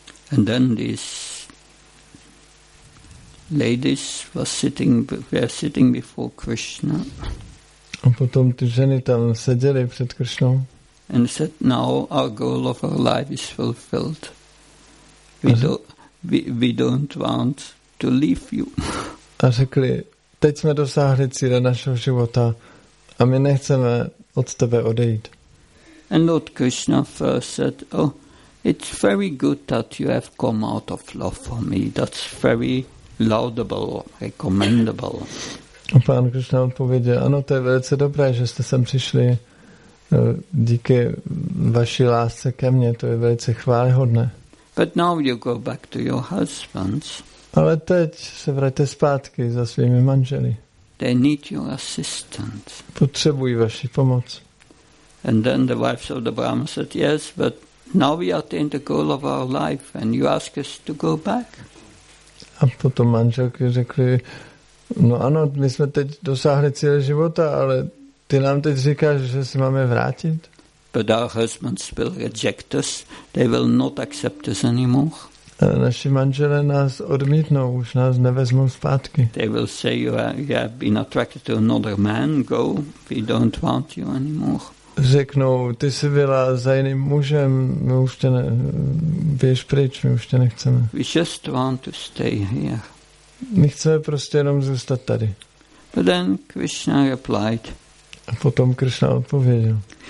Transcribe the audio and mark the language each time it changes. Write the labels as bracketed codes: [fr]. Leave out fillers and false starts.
[en] And then this ladies were sitting before Krishna. [cs] A potom ty ženy tam seděly před Krishnou. [en] And said, "Now our goal of our life is fulfilled. We don't want to leave you." [cs] A řekli, teď jsme dosáhli cíle našeho života a my nechceme od tebe odejít. [en] And Lord Krishna first said, "Oh, it's very good that you have come out of love for me. That's very laudable, recommendable." [cs] A pán Krishna odpověděl, ano, to je velice dobré, že jste sem přišli díky vaší lásce ke mně, to je velice chválihodné. [en] But now you go back to your husbands. [cs] Ale teď se vraťte zpátky za svými manželi. [en] They need your assistance. [cs] Potřebují vaši pomoc. [en] And then the wives of the Brahman said, "Yes, but now we attain the goal of our life and you ask us to go back." [cs] A potom manželky řekli, no ano, my jsme teď dosáhli cíle života, ale ty nám teď říkáš, že se máme vrátit? [en] But our husbands will reject us. They will not accept us anymore. [cs] A naši manželé nás odmítnou, už nás nevezmou zpátky. [en] They will say, you have been attracted to another man, go, we don't want you anymore. [cs] Řeknou, ty jsi byla za jiným mužem, my už tě ne, běž pryč, my už tě nechceme. [en] We just want to stay here. [cs] My chceme prostě jenom zůstat tady. [en] But then Krishna replied. [cs] A potom Krishna odpověděl.